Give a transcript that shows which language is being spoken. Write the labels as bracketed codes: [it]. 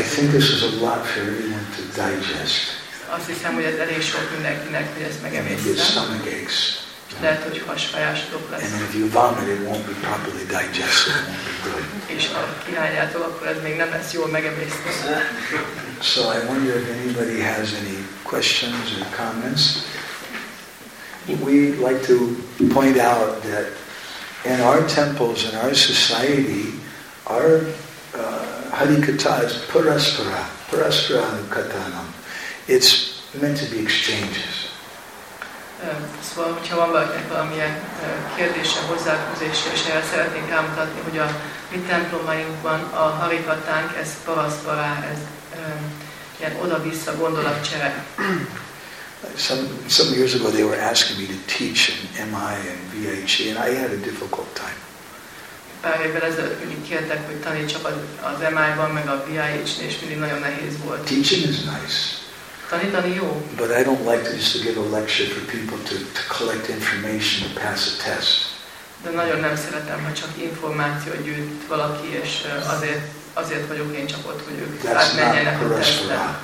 [en] I think this is a lot for everyone to digest. [hu] Azt hiszem, hogy ez elég sok mindenkinek, hogy ezt megemészten. [en] Maybe it's stomach aches. And if you vomit, it won't be properly digested. It won't be good. [hu] És ha kihányjátok, akkor ez még nem lesz jól megemészten. [en] So I wonder if anybody has any questions or comments. We like to point out that in our temples, in our society, our harikatha is paraspara, paraspara katanam. It's meant to be exchanges. [hu] Szóval, hogyha van valakinek valamilyen kérdése, hozzáfűzése, és erre szeretnénk rámutatni, hogy a mi templomainkban a harikatánk, ez paraspara, ez ilyen oda-vissza gondolatcsere. [en] Some years ago they were asking me to teach in MI and VHE and I had a difficult time. [hu] Pár évvel ezelőtt mindig kértek, hogy tanítsak az MI-ban meg a VHE-n, és mindig nagyon nehéz volt. [en] Teaching is nice. [hu] Tanítani jó. [en] But I don't like to just to give a lecture for people to collect information to pass a test. [hu] De nagyon nem szeretem, ha csak információt gyűjt valaki, és azért vagyok én csak ott, hogy ők átmenjenek a testet.